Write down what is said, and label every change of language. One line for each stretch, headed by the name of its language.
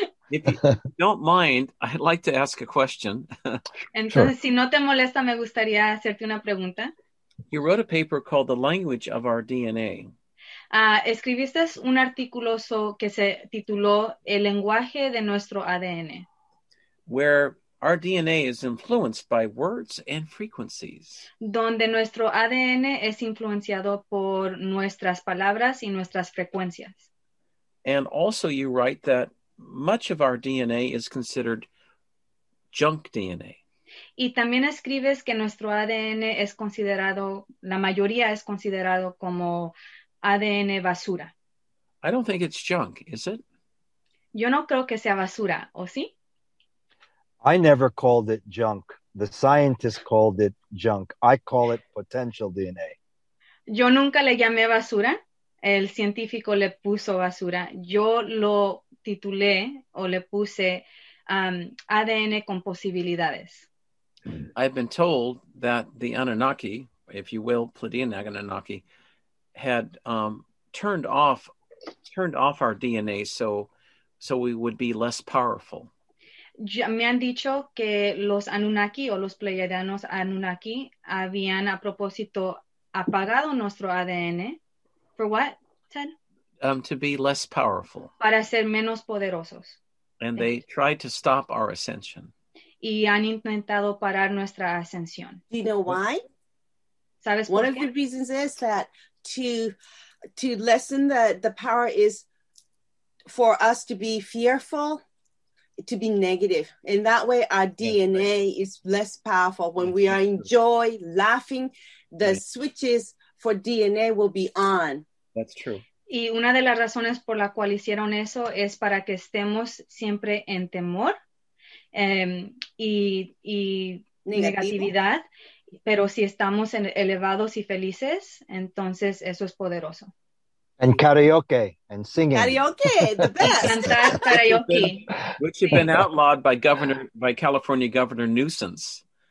English: If you don't mind, I'd like to ask a question.
Spanish: Entonces, sure. Si no te molesta, me gustaría hacerte una pregunta.
English: You wrote a paper called The Language of Our DNA.
Spanish: Escribiste un artículo que se tituló El lenguaje de nuestro ADN.
English: Where our DNA is influenced by words and frequencies.
Spanish: Donde nuestro ADN es influenciado por nuestras palabras y nuestras frecuencias.
English: And also you write that much of our DNA is considered junk DNA.
Spanish: Y también escribes que nuestro ADN es considerado, la mayoría es considerado como ADN basura.
English: I don't think it's junk, is it?
Spanish: Yo no creo que sea basura, ¿o sí?
English: I never called it junk. The scientists called it junk. I call it potential DNA.
Spanish: Yo nunca le llamé basura. El científico le puso basura. Yo lo titulé o le puse ADN con posibilidades.
English: I've been told that the Anunnaki, if you will, Pleiadian Anunnaki, had turned off our DNA so we would be less powerful.
Spanish: Me han dicho que los Anunnaki o los Pleiadianos Anunnaki habían a propósito apagado nuestro ADN.
English: For what, Ted? To be less powerful.
Spanish: Para ser menos poderosos.
English: And they tried to stop our ascension.
Spanish: Y han intentado parar nuestra ascensión.
English: Do you know why?
Spanish: ¿Sabes por qué?
English: One of the reasons is that to lessen the power is for us to be fearful, to be negative. In that way, our DNA is less powerful. When we are in joy, laughing, the switches for DNA will be on. That's true.
Spanish: Y una de las razones por la cual hicieron eso es para que estemos siempre en temor y negatividad. Pero si estamos en elevados y felices, entonces eso es poderoso.
English: And karaoke and singing. Karaoke, the best.
Spanish: Cantar karaoke.
English: Which have been outlawed by California Governor Nuisance.